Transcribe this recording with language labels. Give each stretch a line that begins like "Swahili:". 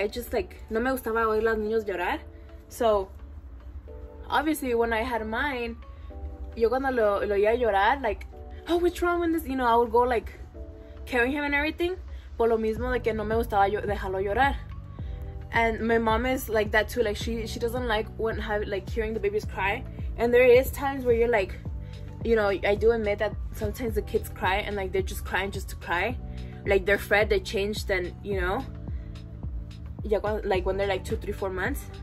English: I just, like,
Spanish: no me gustaba oír los niños llorar.
English: So, obviously, when I had mine,
Spanish: yo cuando lo iba a llorar,
English: like, oh, what's wrong with this? You know, I would go, like, carry him and everything.
Spanish: Por lo mismo de que no me gustaba dejarlo llorar.
English: And my mom is like that too. Like, she doesn't like when hearing the babies cry. And there is times where you're like, you know, I do admit that sometimes the kids cry and like they're just crying just to cry. Like, they're fed, they changed, and you know, like when they're like 2, 3, 4 months.